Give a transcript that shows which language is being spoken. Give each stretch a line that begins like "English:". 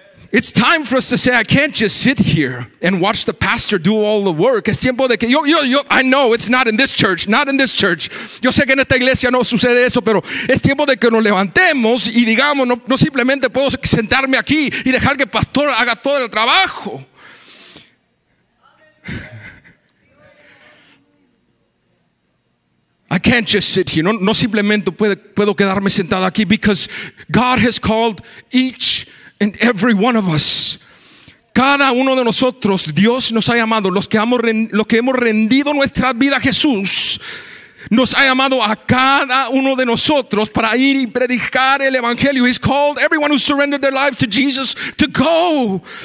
English: It's time for us to say, I can't just sit here and watch the pastor do all the work.
Spanish: Es tiempo de que yo,
English: I know it's not in this church.
Spanish: Yo sé que en esta iglesia no sucede eso, pero es tiempo de que nos levantemos y digamos, no simplemente puedo sentarme aquí y dejar que el pastor haga todo el trabajo.
English: I can't just sit here.
Spanish: No simplemente puedo quedarme sentado aquí,
English: because God has called each and every one of us.
Spanish: Cada uno de nosotros, Dios nos ha llamado, los que hemos rendido nuestra vida a Jesús, nos ha llamado a cada uno de nosotros para ir y predicar el evangelio.
English: He's called everyone who surrendered their lives to Jesus to go.